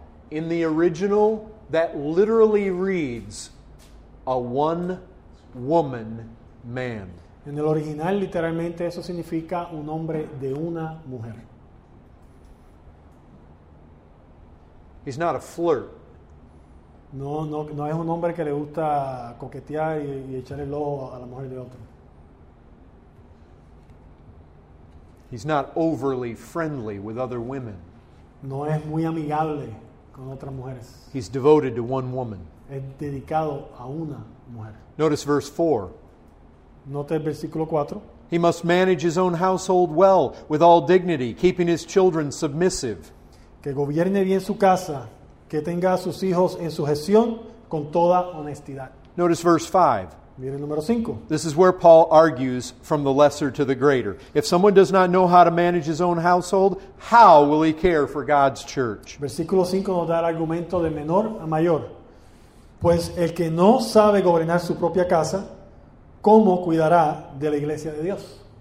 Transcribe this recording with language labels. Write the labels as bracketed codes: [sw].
[en] In the original, that literally reads a one woman man. [es] En el original, literalmente, eso significa un hombre de una mujer. [en] He's not a flirt. [es] No es un hombre que le gusta coquetear y echar el ojo a la mujer de otro. [en] He's not overly friendly with other women. [es] No es muy amigable con otras mujeres. [en] He's devoted to one woman. [es] Es dedicado a una mujer. [en] Notice verse 4. [es] Note el versículo 4. [en] He must manage his own household well, with all dignity, keeping his children submissive. [es] Que gobierne bien su casa, que tenga a sus hijos en sujeción con toda honestidad. [en] Notice verse 5. [es] Mira el número 5. [en] This is where Paul argues from the lesser to the greater. If someone does not know how to manage his own household, how will he care for God's church? [es] Versículo 5 nos da el argumento de menor a mayor. Pues el que no sabe gobernar su propia casa, ¿cómo cuidará de la iglesia de Dios?